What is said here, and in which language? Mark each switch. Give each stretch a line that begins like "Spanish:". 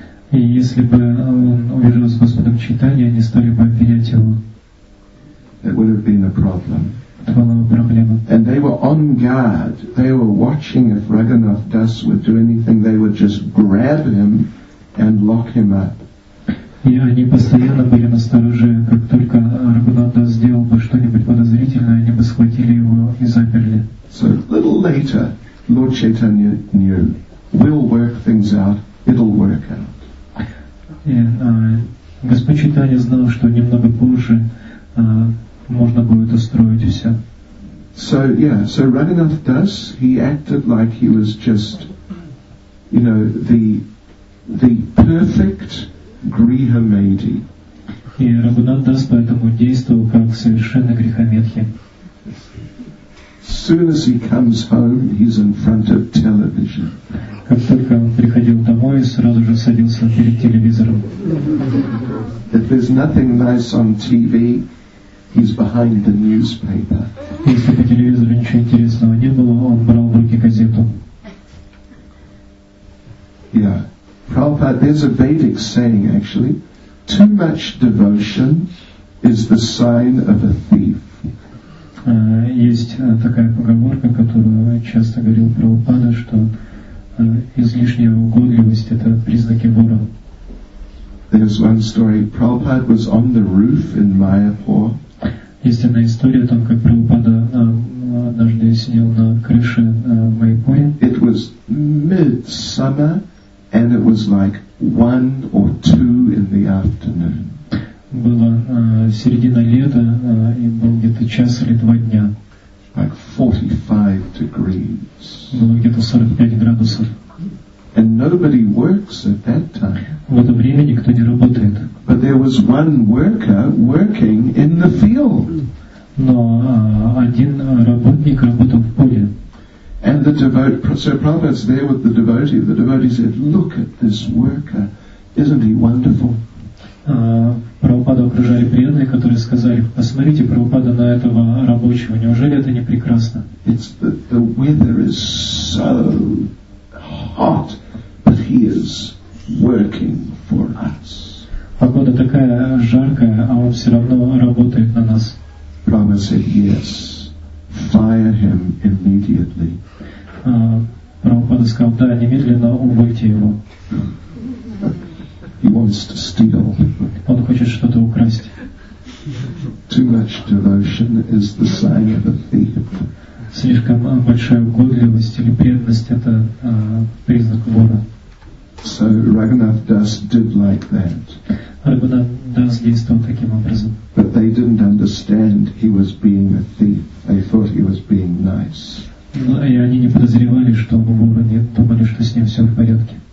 Russian: И если бы он убежал с Господом Чайтанья, они стали бы обвинять его.
English: It would have been a problem. And they were on guard. They were watching if Raghunath Das would do anything. They would just grab him and lock him up. Yeah,
Russian: они постоянно были настороже. Как только Раганат Дас сделал бы что-нибудь подозрительное, они бы схватили его и заперли.
English: So a little later, Lord Chaitanya knew, we'll work things out. It'll work out.
Russian: Господь Чайтанья знал, что немного позже. Можно будет устроить все.
English: So yeah, so Raghunath Das, he acted like he was just, you know, the perfect grihamedi.
Russian: И Раганат Дас поэтому действовал как совершенно грехометхи.
English: Soon as he comes home, he's in front of television.
Russian: Как только он приходил домой, сразу же садился перед телевизором.
English: If there's nothing nice on TV, he's behind the newspaper.
Russian: Если по телевизору ничего интересного не было, он брал в руки газету.
English: Yeah. Prabhupada, there's a Vedic saying actually. Too much devotion is the sign of a thief.
Russian: Есть такая поговорка, которую часто говорил Прабхупада, что излишняя угодливость это признаки вора.
English: There's one story. Prabhupada was on the roof in Mayapur.
Russian: Есть одна история о том, как Прабхупада однажды сидел на крыше в Майпуре.
English: It was midsummer, and it was like one or two in the afternoon.
Russian: Было середина лета, и был где-то час или два дня.
English: Like 45 degrees.
Russian: Было где-то 45 градусов.
English: And nobody works at that time.
Russian: В это время никто не работает.
English: But there was one worker working in the field.
Russian: Но один работник работал в поле.
English: And the devotee, so Prabhupada's there with the devotee. The devotee said, "Look at this worker, isn't he wonderful?"
Russian: Прабхупада окружали преданные, которые сказали: "Посмотрите, Прабхупада, на этого рабочего. Неужели это не прекрасно?"
English: It's the weather is so hot, but he is working for us.
Russian: Погода такая жаркая, а он все равно работает на нас.
English: Prabhupada said, yes, fire him immediately.
Russian: Прабхупада сказал, да, немедленно увольте его.
English: He wants to steal.
Russian: Он хочет что-то украсть.
English: Too much devotion is the sign of a thief.
Russian: Слишком большая угодливость или преданность – это признак вора.
English: So Raghunath Das did like that.
Russian: Раганат Дас действовал таким образом.
English: But they didn't understand he was being a thief. They thought he was being nice.
Russian: И они не подозревали, что он вор, они думали, что с ним все в порядке.